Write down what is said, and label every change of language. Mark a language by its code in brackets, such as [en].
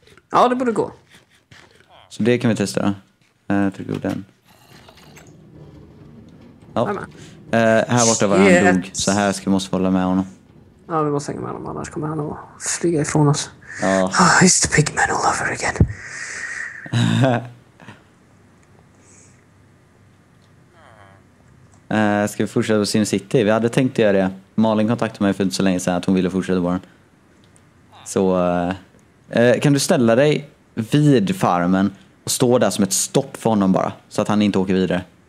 [sv] Ja, det borde gå. Så det kan vi testa, då. Tryck upp den. Ja. Här borta var han dog. Så här ska vi måste hålla med honom. Ja, vi måste hänga med honom. Annars kommer han att flyga ifrån oss. Ja. [en] Oh, it's the big man all over again. [sv] Ska vi fortsätta på Sin City? Vi hade tänkt göra det. Malin kontaktade mig för inte så länge sedan att hon ville fortsätta på den. Så kan du ställa dig vid farmen och stå där som ett stopp för honom bara så att han inte åker vidare?